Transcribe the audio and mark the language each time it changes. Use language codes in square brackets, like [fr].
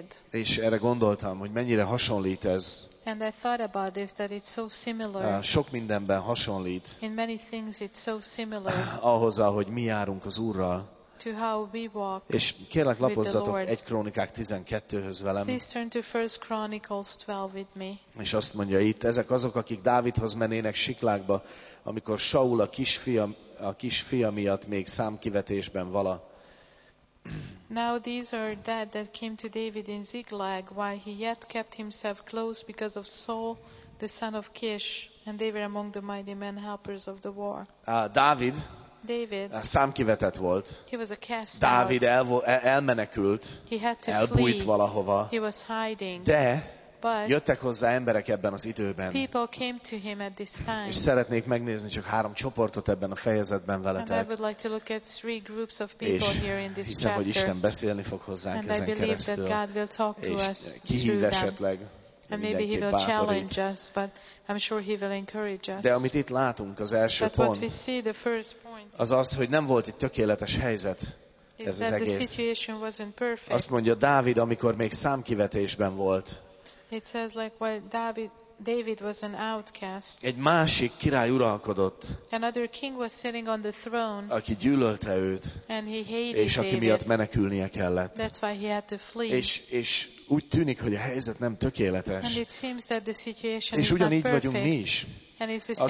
[hu] És erre gondoltam, hogy mennyire hasonlít ez. [en] And I thought about this, that it's so similar. [hu] Sok mindenben hasonlít. [en] In many things it's so similar. [hu] Ahhoz, ahogy mi járunk az Úrral. [en] To how we walk. [hu] És kérlek, lapozzatok 1 Krónikák 12-höz velem. [en] Please turn to 1 Chronicles 12 with me. [hu] És azt mondja itt, ezek azok, akik Dávidhoz menének Siklágba, amikor Saul a kisfia miatt még számkivetésben vala. [en] Now these are that came to David in Ziklag, while he yet kept himself close because of Saul, the son of Kish, and they were among the mighty men helpers of the war. [hu] David számkivetett volt. [en] He was a cast out. [hu] Dávid elmenekült, [en] he had to [hu] elbújt [en] flee. [hu] Valahova. [en] He was hiding. [hu] De [en] but [hu] jöttek hozzá emberek ebben az időben. [en] People came to him at this time. [hu] És szeretnék megnézni csak három csoportot ebben a fejezetben veletek. [en] And I would like to look at three groups of people [hu] és [en] here in this [hu] hiszem, [en] chapter. [hu] Hogy Isten beszélni fog hozzánk [en] and [hu] ezen keresztül. [en] That God will talk to [hu] és [en] us [hu] kihív esetleg. [en] And maybe he will challenge us, but I'm sure he will encourage us. [hu] De amit itt látunk, az első pont, az, hogy nem volt egy tökéletes helyzet. Ez az egész. Azt mondja Dávid, amikor még számkivetésben volt. [en] It says like when David was an outcast. [hu] Egy másik király uralkodott. [en] Another king was sitting on the throne. [hu] Aki gyűlölte őt. [en] And he hated [hu] és aki [en] David. [hu] Miatt menekülnie kellett. [en] That's why he had to flee. [hu] És úgy tűnik, hogy a helyzet nem tökéletes. [en] And it seems that the situation [hu] és [en] is [hu] ugyanígy [en] not [hu] vagyunk [en] perfect. [hu] Mi is. [en] And it's the same